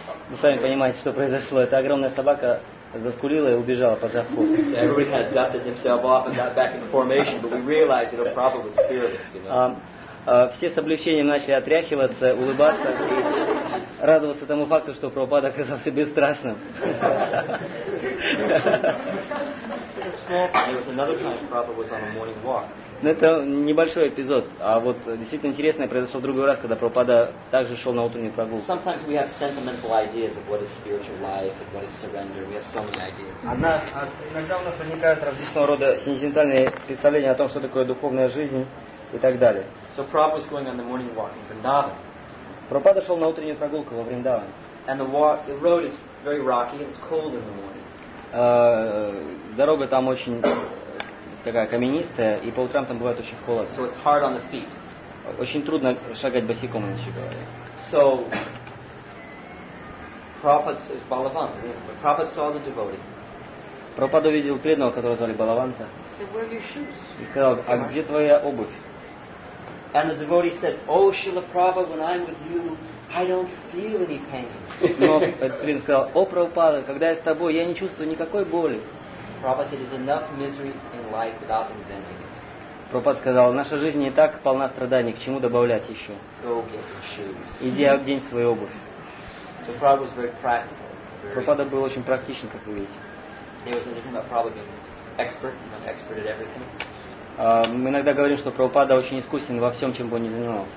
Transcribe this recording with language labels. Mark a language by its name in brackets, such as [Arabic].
[Russian] Вы сами понимаете, что произошло. Это огромная собака заскулила и убежала, поджав хвост. [English] Everybody kind of dusted himself off and got back in formation, but we realized that Prabhupada was fearless, you know. [Russian] Все с облегчением начали отряхиваться, улыбаться и радоваться тому факту, что Прабхупада оказался бесстрашным. [English] There was another time Prabhupada was on a morning walk. [Russian] Но это небольшой эпизод, а вот действительно интересное произошло в другой раз, когда Прабхупада также шел на утреннюю прогулку. [English] Sometimes we have sentimental ideas of what is spiritual life and what is surrender. We have so many ideas. [Russian] Иногда у нас возникают различного рода сентиментальные представления о том, что такое духовная жизнь и так далее. [English] So Prabhupada was going on the morning walk in Vrindavan. [Russian] Прабхупада шел на утреннюю прогулку во Вриндаван. [English] And the road is very rocky and it's cold in the morning. [Russian] Дорога там очень такая каменистая, и по утрам там бывает очень холодно. [English] So it's hard on the feet. [Russian] Очень трудно шагать босиком, иначе говоря. [English] So Prabhupada says Balavanta. Prabhupada saw the devotee. [Russian] Прабхупада увидел преданного, которого звали Балаванта. [English] He said, where are your shoes? [Russian] И сказал, а где твоя обувь? [English] And the devotee said, "Oh, Srila Prabhupada, when I'm with you, I don't feel any pain." [Russian] Но принц сказал: "О, Прабхупада, когда я с тобой, я не чувствую никакой боли." [English] Prabhupada said, "There's enough misery in life without inventing it." [Russian] Прабхупада сказал: "Наша жизнь и так полна страданий, к чему добавлять еще?" [English] Go get your shoes. [Russian] Иди одень свою обувь. [English] So Prabhupada was very practical. [Russian] Прабхупада был очень практичен, как вы видите. [English] He was interesting about Prabhupada being expert, you know, expert at everything. [Russian] Мы иногда говорим, что Прабхупада очень искусен во всем, чем бы он ни занимался.